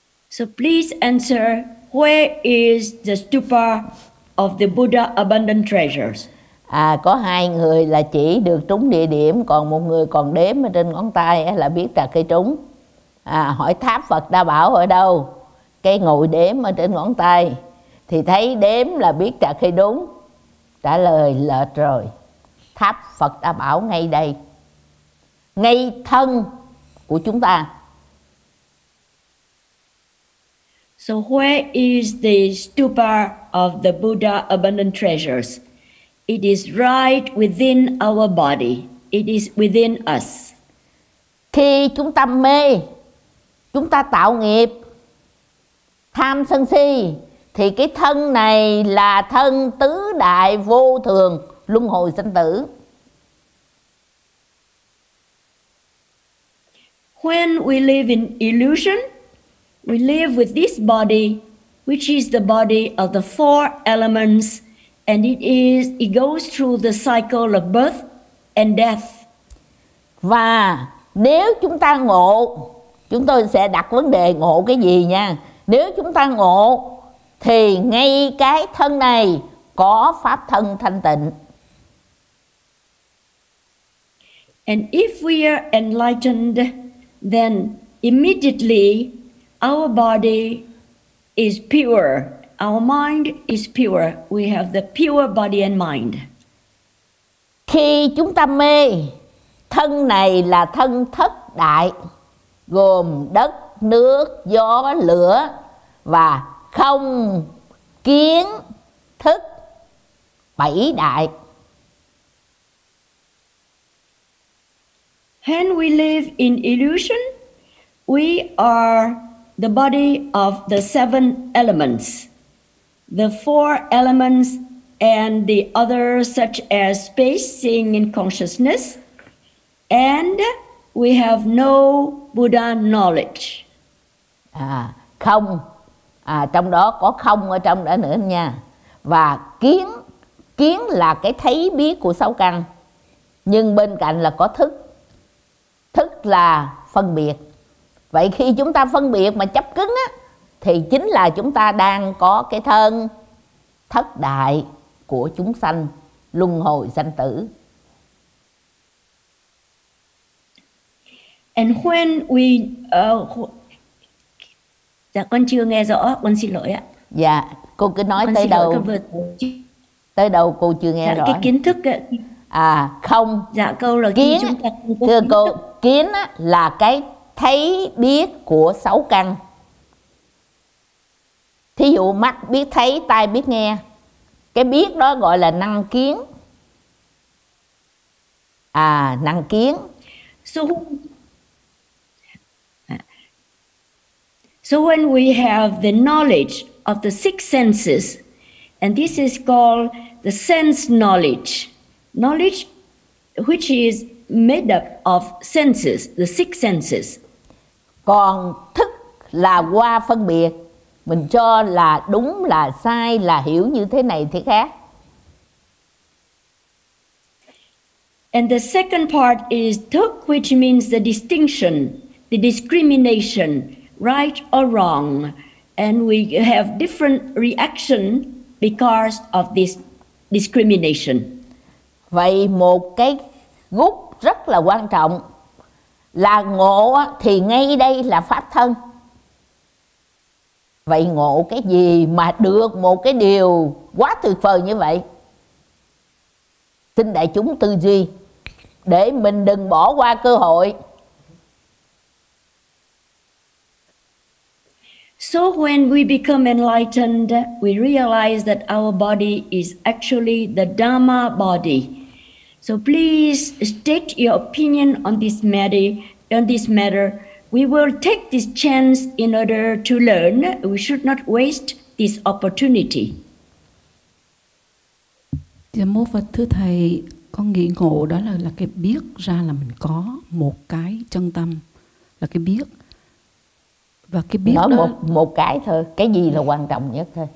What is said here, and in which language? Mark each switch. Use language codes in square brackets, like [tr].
[en] So please answer, where is the stupa of the Buddha abundant treasures? [vi] À, có hai người là chỉ được trúng địa điểm, còn một người còn đếm ở trên ngón tay là biết cả cây trúng. À, hỏi tháp Phật Đa Bảo ở đâu? Cây ngồi đếm ở trên ngón tay thì thấy đếm là biết cả cây đúng. Trả lời lệch rồi. Tháp Phật Đa Bảo ngay đây, ngay thân của chúng ta. [en] So where is the stupa of the Buddha abundant treasures? It is right within our body. It is within us. [vi] Khi chúng ta mê, chúng ta tạo nghiệp tham sân si, thì cái thân này là thân tứ đại vô thường, luân hồi sinh tử. [en] When we live in illusion, we live with this body, which is the body of the four elements, and it goes through the cycle of birth and death. [vi] Và nếu chúng ta ngộ, chúng tôi sẽ đặt vấn đề ngộ cái gì nha. Nếu chúng ta ngộ thì ngay cái thân này có pháp thân thanh tịnh. [en] And if we are enlightened, then immediately our body is pure, our mind is pure, we have the pure body and mind. [vi] Khi chúng ta mê, thân này là thân thất đại, gồm đất, nước, gió, lửa và không kiến thức bảy đại. [en] When we live in illusion, we are the body of the seven elements, the four elements and the others such as space, seeing and consciousness, and we have no Buddha knowledge. [vi] À, không. À, trong đó có không ở trong đó nữa nha. Và kiến, kiến là cái thấy biết của sáu căn, nhưng bên cạnh là có thức, thức là phân biệt. Vậy khi chúng ta phân biệt mà chấp cứng á, thì chính là chúng ta đang có cái thân thất đại của chúng sanh, luân hồi sanh tử. [en] And when we [vi] dạ con chưa nghe rõ, con xin lỗi ạ. Dạ, cô cứ nói con tới đâu. Tới đâu cô chưa nghe dạ, rõ. Cái kiến thức ấy. À, không. Dạ câu là kiến. Thưa cô, kiến á là cái thấy biết của sáu căn. Thí dụ mắt biết thấy, tai biết nghe. Cái biết đó gọi là năng kiến. À, năng kiến. [en] So when we have the knowledge of the six senses, and this is called the sense knowledge, knowledge which is made up of senses, the six senses. [vi] Còn thức là qua phân biệt, mình cho là đúng là sai, là hiểu như thế này thế khác. [en] And the second part is thức, which means the distinction, the discrimination, right or wrong. And we have different reaction because of this discrimination. [vi] Vậy một cái gốc rất là quan trọng là ngộ thì ngay đây là pháp thân. Vậy ngộ cái gì mà được một cái điều quá tuyệt vời như vậy? Xin đại chúng tư duy để mình đừng bỏ qua cơ hội. [en] So when we become enlightened, we realize that our body is actually the Dharma body. So please state your opinion on this matter. On this matter, we will take this chance in order to learn. We should not waste this opportunity. [vi] Dạ mô Phật, thưa thầy, con nghĩ ngộ đó là cái biết ra là mình có một cái chân tâm, là cái biết. Và cái biết nói đó một cái thôi, cái gì là quan trọng nhất thôi.